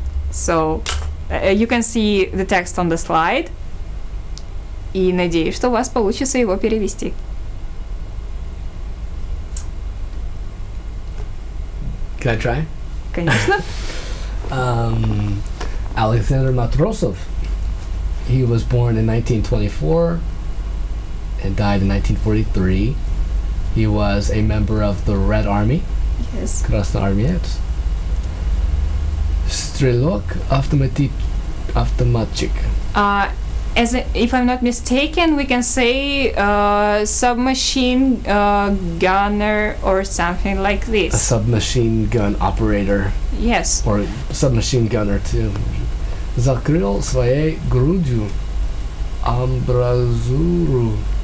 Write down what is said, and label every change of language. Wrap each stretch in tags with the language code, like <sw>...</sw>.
<en>So, you can see the text on the slide.</en> <ru>И надеюсь, что у вас получится его перевести.</ru> <en>Can I try?</en> <ru>Конечно.</ru> <en>Alexander Matrosov. He was born in 1924 and died in 1943. He was a member of the Red Army. Yes.</en> <ru>Красная Армия. Стрелок, автоматчик.</ru> <en>As if I'm not mistaken, we can say submachine gunner or something like this. A submachine gun operator. Yes. Or submachine gunner too.</en> <ru>Закрыл своей грудью амбразуру.</ru>